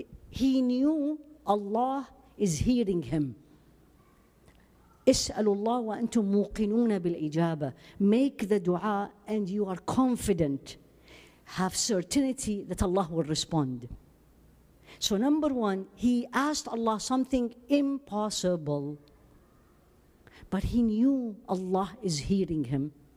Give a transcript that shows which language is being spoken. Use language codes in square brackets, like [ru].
[en] He knew Allah is hearing him. [ar] اسألوا الله وأنتم موقنون بالإجابة. [en] Make the dua and you are confident. Have certainty that Allah will respond. So number one, he asked Allah something impossible, but he knew Allah is hearing him.